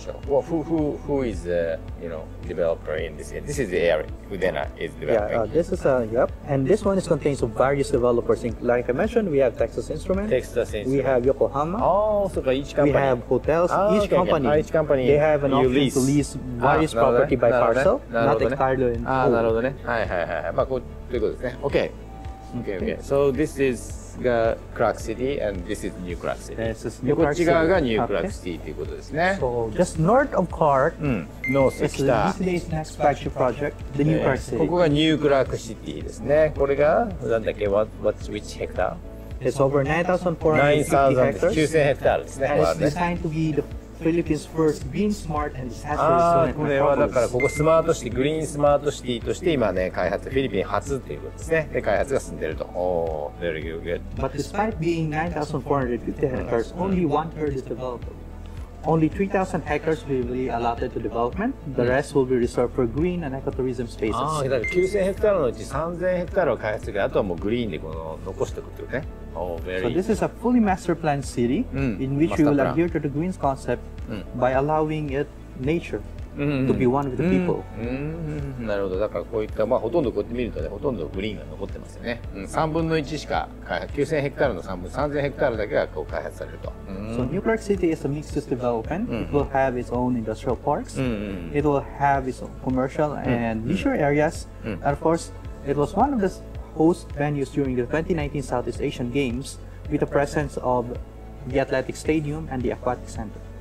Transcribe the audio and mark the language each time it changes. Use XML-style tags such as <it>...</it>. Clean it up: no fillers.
<en>Well, who is developer in this area? This is the area Udena is developing. Yeah, this is and this one is contains of various developers. Like I mentioned, we have Texas Instruments. We have Yokohama. Oh, so each company. We have hotels. Each company. They have an option to lease various property by parcel, not entirely in</en> <ja>whole. なるほどね。はいはいはい。まあこうということですね。</ja> <en>Okay. So this is.</en> <ja>がクラークシティ</ja> <en>and this is New Clark City.</en> <ja>こっち側がニュークラークシティということですね。</ja> <en>So just north of Clark, north is the BCDA's next flagship project, the New Clark City.</en> <ja>ここがニュークラークシティですね。これがなんだっけ</ja> <en>which hectare? It's over 9,400 hectares. 9,000 hectares</en> <ja>ですね。</ja> <en>It's designed to be the Philippines first green smart and disaster resilient metropolis.</en> <ja>これはだからここスマートシティ、グリーンスマートシティとして今ね開発、フィリピン初ということですね。で開発が進んでると。</ja> <en>Very good. But despite being 9,450 hectares, only one third is developed. Only 3,000 hectares will be allotted to development. The rest will be reserved for green and ecotourism spaces.</en> <ja>だから9000ヘクタールのうち3000ヘクタールを開発する。あとはもうグリーンでこの残しておくってことね。</ja> <en>So this is a fully master planned city in which we will adhere to the green concept by allowing it nature to be one with the people.</en> <ja>なるほど。だからこういったほとんどこうやって見るとね、ほとんどグリーンが残ってますよね。 3分の1しか開発、9000ヘクタールの3分、3000ヘクタールだけがこう開発されると。</ja> <en>So New Clark City is a mixed use development. It will have its own industrial parks. It will have its own commercial and leisure areas. And of course, it was one of the host venues during the 2019 Southeast Asian Games with the presence of the athletic stadium and the aquatic center.</en>